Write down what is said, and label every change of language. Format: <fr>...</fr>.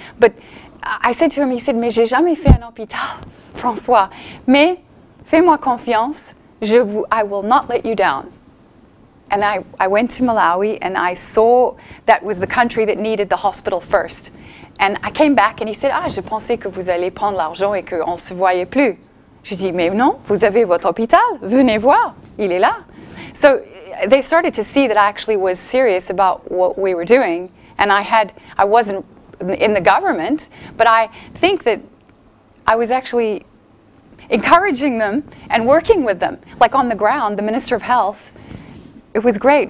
<en>But I said to him, he said,</en> <fr>mais j'ai jamais fait un hôpital,</fr> <en>François.</en> <fr>Mais fais-moi confiance,</fr> <en>I will not let you down. And I went to Malawi and I saw that was the country that needed the hospital first. And I came back and he said,</en> <fr>ah, je pensais que vous allez prendre l'argent et qu'on ne se voyait plus. Je dis, mais non, vous avez votre hôpital, venez voir, il est là.</fr> <en>So they started to see that I actually was serious about what we were doing. And I wasn't in the government, but I think that I was actually encouraging them and working with them. Like on the ground, the Minister of Health, it was great.</en>